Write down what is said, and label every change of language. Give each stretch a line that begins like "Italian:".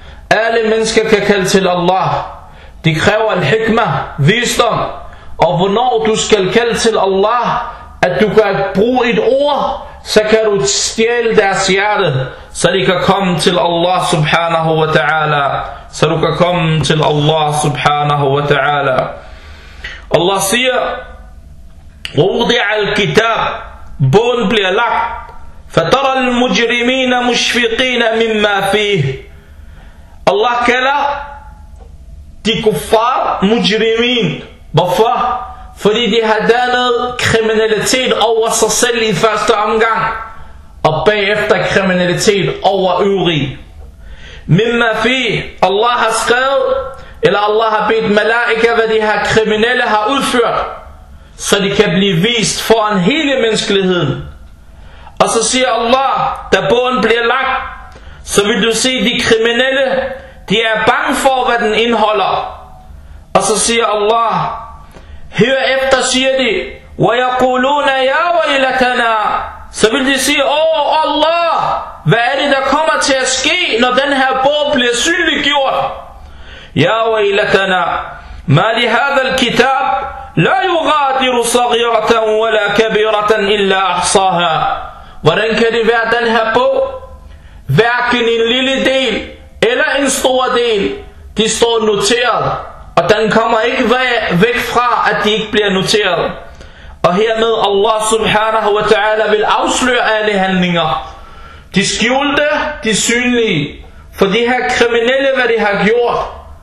Danish: Alle mennesker kan kalde til Allah. Det kræver al-hikmah, visdom. Og hvornår du skal kalde til Allah, at du kan bruge et ord, så kan du stjæle deres hjerte, så de kan komme til Allah subhanahu wa ta'ala. Så du kan komme til Allah subhanahu wa ta'ala. Allah siger,
Arabic: وُضِعَ الْكِتَابِ,
Danish: bogen bliver lagt,
Arabic: فَتَرَ الْمُجْرِمِينَ مُشْفِقِينَ مِمَّا فِيهِ.
Danish: Allah kalder de kuffar mujrimin. Hvorfor? Fordi de har dannet kriminalitet over sig selv i første omgang, og bagefter kriminalitet over øvrige. Mimma fih, Allah har skrevet, eller Allah har bedt malaika, hvad de her kriminelle har udført, så de kan blive vist foran hele menneskeligheden. Og så siger Allah, da bogen bliver lagt, så vil du se, de kriminelle, de er bange for, hvad den indeholder. Og så siger Allah, herefter siger de,
Arabic: وَيَقُولُونَ يَا وَيْلَتَنَا.
Danish: Så vil de sige, åh Allah, hvad er det, der kommer til at ske, når den her bog bliver synliggjort?
Arabic: يا ويلتنا ما لهذا الكتاب لا يغادر صغيرة ولا كبيرة إلا أحصاها.
Danish: Hvordan kan det være, den her bog, hverken en lille del eller en stor del, de står noteret, og den kommer ikke væk fra, at de ikke bliver noteret. Og hermed Allah subhanahu wa ta'ala vil afsløre alle handlinger, de skjulte, de synlige, for de her kriminelle, hvad de har gjort.